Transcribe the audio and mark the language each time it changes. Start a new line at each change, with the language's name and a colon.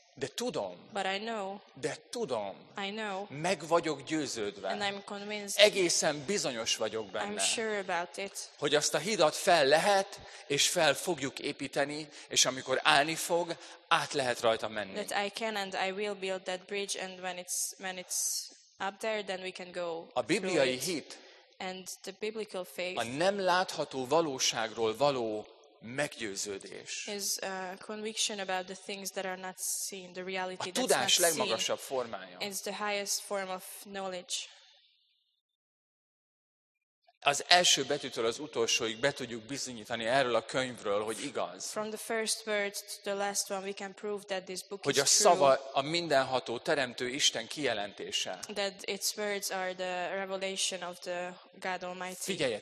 Hungarian: De tudom.
English: But I know.
Hungarian: De tudom.
English: I know.
Hungarian: Meg vagyok győződve.
English: And I'm convinced.
Hungarian: Egészen bizonyos vagyok benne.
English: I'm sure about it.
Hungarian: Hogy azt a hidat fel lehet, és fel fogjuk építeni, és amikor állni fog, át lehet rajta menni.
English: That I can and I will build that bridge and when it's up there then we can go.
Hungarian: A bibliai hit.
English: And the biblical faith.
Hungarian: A nem látható valóságról való meggyőződés.
English: Is a conviction about the things that are not seen, the reality that's not seen.
Hungarian: A tudás legmagasabb formája.
English: It's the highest form of knowledge.
Hungarian: Az első betűtől az utolsóig be tudjuk bizonyítani erről a könyvről, hogy igaz.
English: From the first word to the last one we can prove that this book is true.
Hungarian: Hogy a szava a mindenható teremtő Isten kijelentése.
English: That its words are the revelation of the God Almighty.